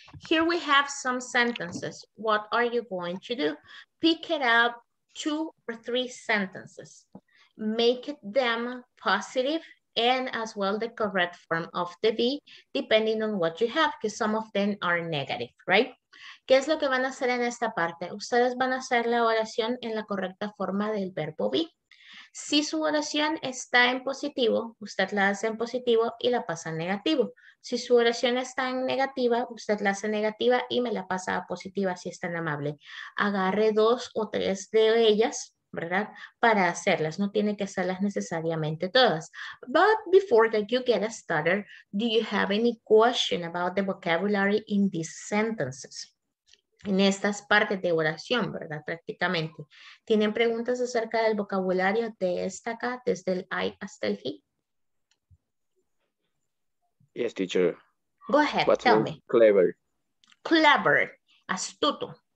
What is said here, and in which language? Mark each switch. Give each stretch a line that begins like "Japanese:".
English: Here we have some sentences. What are you going to do? Pick it up two or three sentences. Make them positive and as well the correct form of the be depending on what you have because some of them are negative, right?
Spanish: ¿Qué es lo que van a hacer en esta parte? Ustedes van a hacer la oración en la correcta forma del verbo be. Si su oración está en positivo, usted la hace en positivo y la pasa en negativo. Si su oración está en negativa, usted la hace en negativa y me la pasa a positiva si es tan amable. Agarre dos o tres de ellas, ¿verdad? Para hacerlas, no tiene que hacerlas necesariamente todas.
English: But before that you get started, do you have any question about the vocabulary in these sentences?
Spanish: En estas partes de oración, ¿verdad? Prácticamente. ¿Tienen preguntas acerca del vocabulario de esta acá, desde el I hasta el he?
English: Yes, teacher. Go ahead, what's tell me. Clever. Clever, astuto.